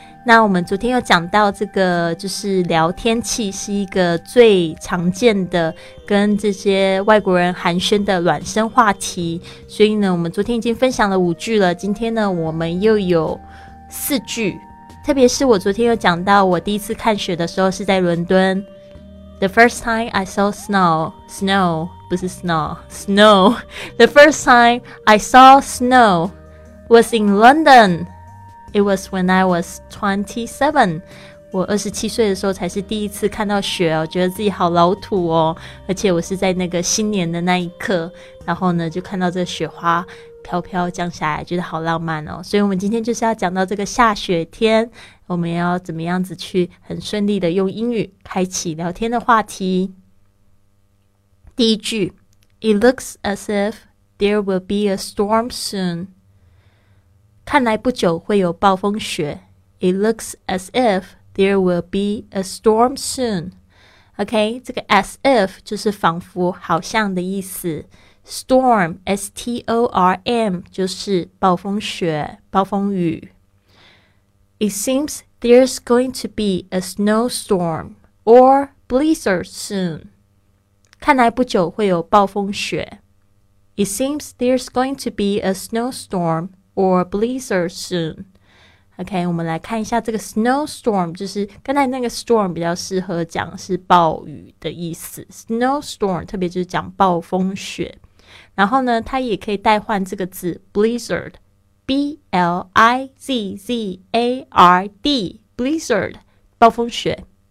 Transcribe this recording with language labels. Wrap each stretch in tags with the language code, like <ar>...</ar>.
<zh>那我们昨天有讲到这个，就是聊天器是一个最常见的跟这些外国人寒暄的暖身话题，所以呢，我们昨天已经分享了5句了，今天呢我们又有4句。特别是我昨天有讲到，我第一次看雪的时候是在伦敦。</zh> <en>The first time I saw snow. The first time I saw snow was in London. It was when I was 27.</en> <zh>我27岁的时候才是第一次看到雪哦，觉得自己好老土哦。而且我是在那个新年的那一刻，然后呢就看到这个雪花飘飘降下来，觉得好浪漫哦。所以我们今天就是要讲到这个下雪天，我们要怎么样子去很顺利的用英语开启聊天的话题。第一句，</zh> <en>It looks as if there will be a storm soon.</en> <zh>看来不久会有暴风雪。</zh> <en>It looks as if there will be a storm soon.</en> <zh>OK， 这个 as if 就是仿佛好像的意思。 Storm, S-T-O-R-M, 就是暴风雪、暴风雨。</zh> <en>It seems there's going to be a snowstorm or blizzard soon.</en> <zh>看来不久会有暴风雪。</zh> <en>It seems there's going to be a snowstorm or blizzard soon.</en> <zh>OK, 我们来看一下这个 snowstorm, 就是刚才那个 storm 比较适合讲是暴雨的意思。 Snowstorm 特别就是讲暴风雪。然后呢，它也可以代换这个字 blizzard， B-L-I-Z-Z-A-R-D， blizzard， 暴风雪。</zh>